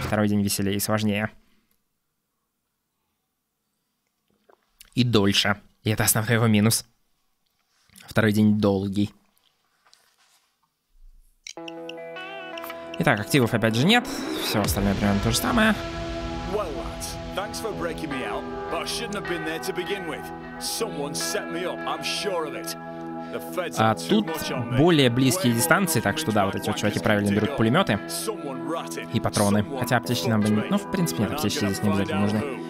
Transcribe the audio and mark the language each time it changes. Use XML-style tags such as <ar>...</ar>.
<ru>Второй день веселее и сложнее. И дольше. И это основной его минус. Второй день долгий. Итак, активов опять же нет. Все остальное примерно то же самое.</ru> <en>Well, lads, thanks for breaking me out, but I shouldn't have been there to begin with. Someone set me up, I'm sure of it.</en> <ru>А тут более близкие дистанции, так что да, вот эти вот чуваки правильно берут пулеметы и патроны. Хотя аптечки нам бы не... Ну, в принципе, нет, аптечки здесь не обязательно нужны.</ru>